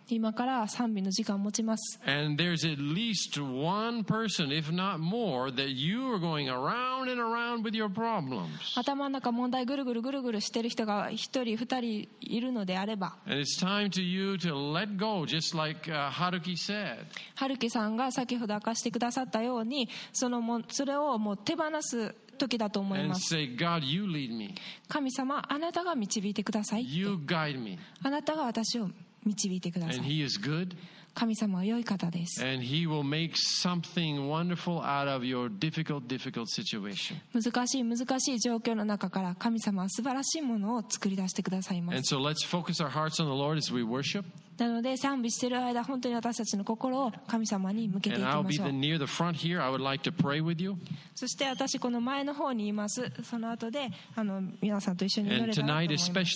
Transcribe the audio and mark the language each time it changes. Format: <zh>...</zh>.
<ja>今から賛美の時間を持ちます。</ja> <en>And there's at least one person, if not more, that you are going around and around with your problems.</en> <ja>頭の中問題ぐるぐるぐるぐるしてる人が一人二人いるのであれば。</ja> <en>And it's time to you to let go, just like Haruki said.</en> <ja>Haruki さんが先ほど明かしてくださったよ。それをもう手放す時だと思います。</ja> <en>And say, God, you lead me.</en> <ja>神様あなたが導いてくださいって。</ja> <en>You guide me.</en> <ja>あなたが私を導いてください。</ja> <en>And he is good.</en> <ja>神様は良い方です。</ja> <en>And he will make something wonderful out of your difficult, difficult situation.</en> <ja>難しい難しい状況の中から神様は素晴らしいものを作り出してくださいます。</ja> <en>And so let's focus our hearts on the Lord as we worship.</en> <ja>なので賛美している間本当に私たちの心を神様に向けていきましょう。</ja> <en>here, like、</en> <ja>そして私この前の方にいます。その後で皆さんと一緒に祈れたらと思います。</ja>